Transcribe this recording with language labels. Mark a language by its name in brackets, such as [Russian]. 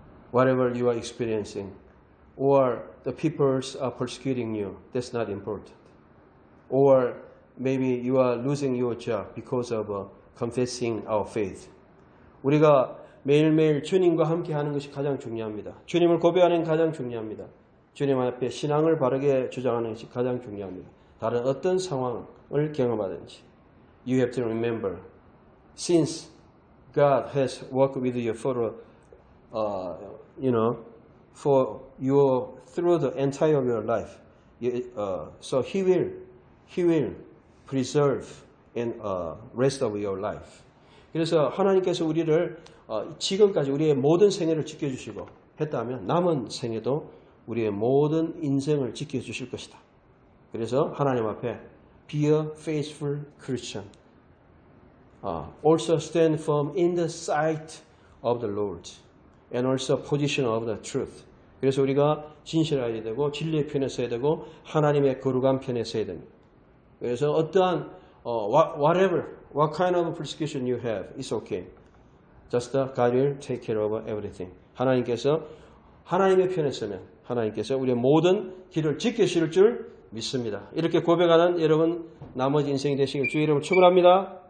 [English] Whatever you are experiencing, or the peoples are persecuting you, that's not important. Or maybe you are losing your job because of confessing our faith. [Korean] 우리가 매일매일 주님과 함께하는 것이 가장 중요합니다. 주님을 고백하는 것이 가장 중요합니다. 주님 앞에 신앙을 바르게 주장하는 것이 가장 중요합니다. 다른 어떤 상황을 경험하든지 [English] You have to remember since God has worked with you for you know for your through the entire of your life so he will preserve in rest of your life. [Korean] 그래서 하나님께서 우리를 지금까지 우리의 모든 생애를 지켜주시고 했다면 남은 생애도 우리의 모든 인생을 지켜주실 것이다. 그래서 하나님 앞에 [English] Be a faithful Christian. Also stand firm in the sight of the Lord. And also position of the truth. [Korean] 그래서 우리가 진실해야 되고 진리의 편에 서야 되고 하나님의 거룩한 편에 서야 됩니다. 그래서 어떠한 [English] whatever, what kind of persecution you have, it's okay. Just God will take care of everything. [Korean] 하나님께서 하나님의 편에 서면 하나님께서 우리의 모든 길을 지켜주실 줄 믿습니다. 이렇게 고백하는 여러분 나머지 인생이 되시길 주의 이름으로 축원합니다.